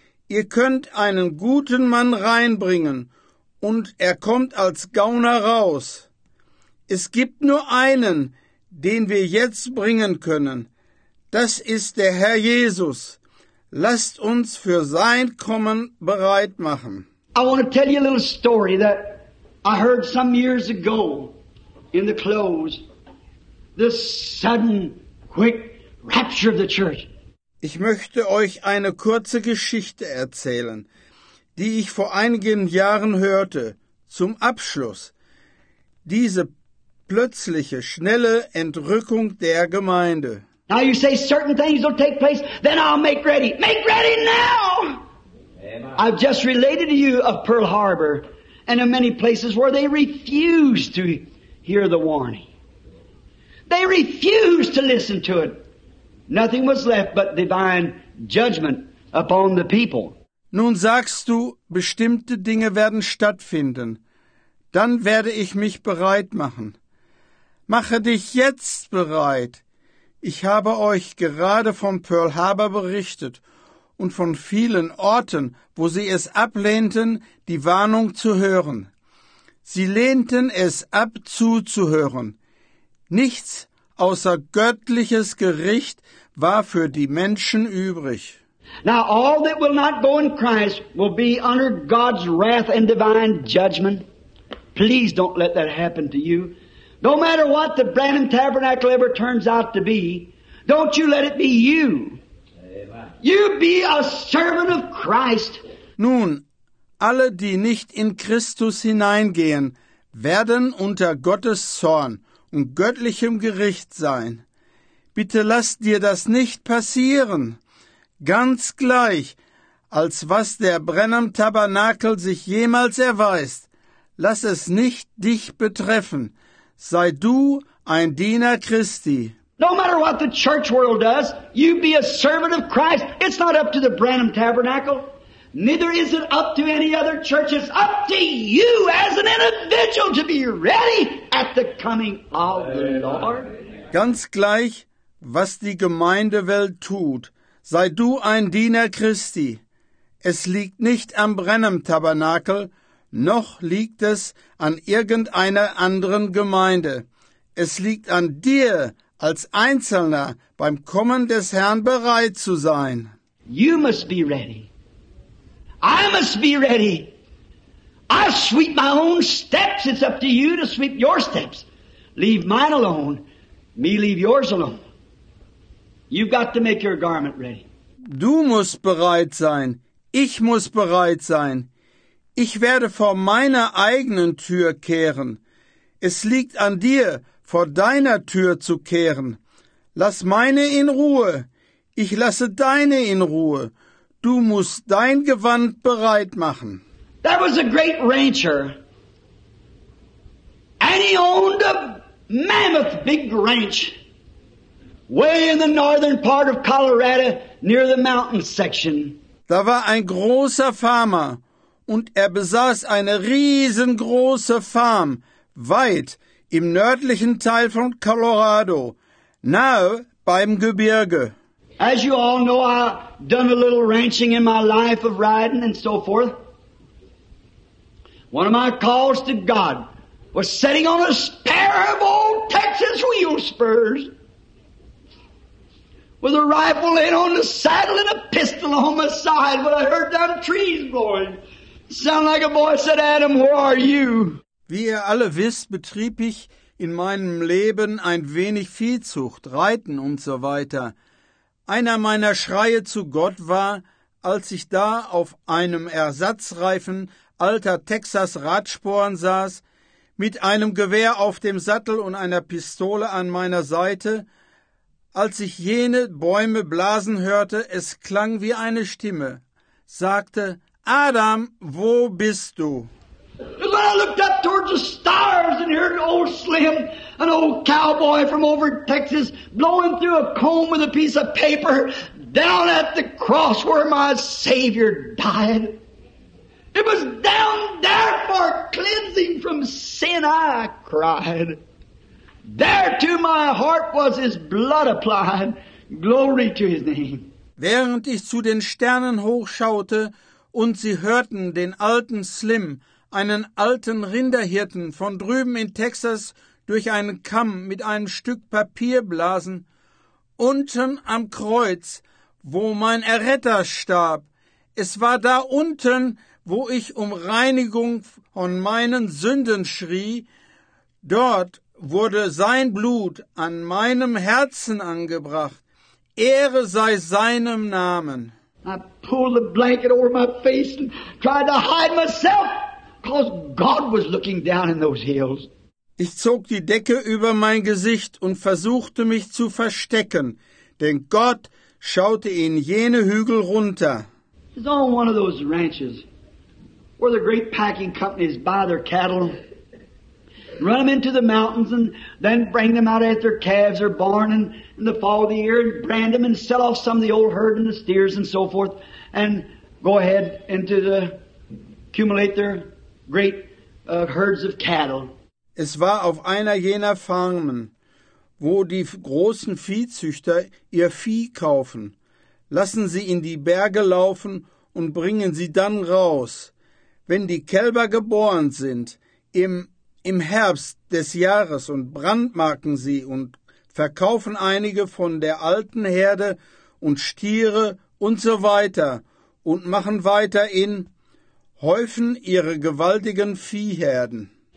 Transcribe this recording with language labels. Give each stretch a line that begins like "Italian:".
German: Ihr könnt einen guten Mann reinbringen, und er kommt als Gauner raus. Es gibt nur einen, den wir jetzt bringen können. Das ist der Herr Jesus. Lasst uns für sein Kommen bereit machen.
English: I want to tell you a little story that I heard some years ago in the close. The sudden, quick rapture of the church.
German: Ich möchte euch eine kurze Geschichte erzählen, die ich vor einigen Jahren hörte, zum Abschluss. Diese plötzliche, schnelle Entrückung der Gemeinde.
English: Now you say certain things will take place, then I'll make ready. Make ready now! Amen. I've just related to you of Pearl Harbor and of many places where they refused to hear the warning. They refused to listen to it. Nothing was left but divine judgment upon the people.
German: Nun sagst du, bestimmte Dinge werden stattfinden. Dann werde ich mich bereit machen. Mache dich jetzt bereit. Ich habe euch gerade von Pearl Harbor berichtet und von vielen Orten, wo sie es ablehnten, die Warnung zu hören. Sie lehnten es ab, zuzuhören. Nichts außer göttliches Gericht war für die Menschen übrig.
English: Now all that will not go in Christ will be under God's wrath and divine judgment. Please don't let that happen to you. No matter what the Branham Tabernacle ever turns out to be, don't you let it be you. Amen. You be a servant of Christ.
German: Nun, alle, die nicht in Christus hineingehen, werden unter Gottes Zorn und göttlichem Gericht sein. Bitte lass dir das nicht passieren. Ganz gleich, als was der Branham Tabernakel sich jemals erweist, lass es nicht dich betreffen. Sei du ein Diener Christi.
English: No matter what the church world does, you be a servant of Christ. It's not up to the Branham Tabernacle. Neither is it up to any other church. It's up to you as an individual to be ready at the coming of the Lord.
German: Ganz gleich, was die Gemeindewelt tut, sei du ein Diener Christi. Es liegt nicht am Branham Tabernakel, noch liegt es an irgendeiner anderen Gemeinde. Es liegt an dir, als Einzelner, beim Kommen des Herrn bereit zu sein.
English: You must be ready. I must be ready. I sweep my own steps. It's up to you to sweep your steps. Leave mine alone. Me leave yours alone. You've got to make your garment ready.
German: Du musst bereit sein. Ich muss bereit sein. Ich werde vor meiner eigenen Tür kehren. Es liegt an dir, vor deiner Tür zu kehren. Lass meine in Ruhe. Ich lasse deine in Ruhe. Du musst dein Gewand bereit machen.
English: There was a great rancher. And he owned a mammoth big ranch. Way in the northern part of Colorado, near the mountain section.
German: Da war ein großer Farmer. Und er besaß eine riesengroße Farm, weit im nördlichen Teil von Colorado, nahe beim Gebirge.
English: As you all know, I've done a little ranching in my life of riding and so forth. One of my calls to God was sitting on a pair of old Texas wheel spurs with a rifle in on the saddle and a pistol on my side when I heard them trees blowing. Sound like a voice said, Adam, where are you?
German: Wie ihr alle wisst, betrieb ich in meinem Leben ein wenig Viehzucht, Reiten und so weiter. Einer meiner Schreie zu Gott war, als ich da auf einem Ersatzreifen alter Texas Radsporen saß, mit einem Gewehr auf dem Sattel und einer Pistole an meiner Seite, als ich jene Bäume blasen hörte, es klang wie eine Stimme, sagte, Adam, wo bist du?
English: And when I looked up towards the stars and heard old Slim, an old cowboy from over Texas, blowing through a comb with a piece of paper down at the cross where my Savior died. It was down there for cleansing from sin I cried. There to my heart was his blood applied. Glory to his name.
German: Während ich zu den Sternen hochschaute, und sie hörten den alten Slim, einen alten Rinderhirten von drüben in Texas, durch einen Kamm mit einem Stück Papier blasen. Unten am Kreuz, wo mein Erretter starb. Es war da unten, wo ich um Reinigung von meinen Sünden schrie. Dort wurde sein Blut an meinem Herzen angebracht. Ehre sei seinem Namen.
English: I pulled the blanket over my face and tried to hide myself, because God was looking down in those hills.
German: Ich zog die Decke über mein Gesicht und versuchte mich zu verstecken, denn Gott schaute in jene Hügel runter.
English: It's on one of those ranches where the great packing companies buy their cattle, run them into the mountains and then bring them out at their calves or barn and in the fall of the year and brand them and sell off some of the old herd and the steers and so forth. And go ahead into the accumulate their great herds of cattle.
German: Es war auf einer jener Farmen, wo die großen Viehzüchter ihr Vieh kaufen. Lassen sie in die Berge laufen und bringen sie dann raus. Wenn die Kälber geboren sind, im Herbst des Jahres und brandmarken sie und verkaufen einige von der alten Herde und Stiere und so weiter und machen weiter in Häufen ihre gewaltigen Viehherden.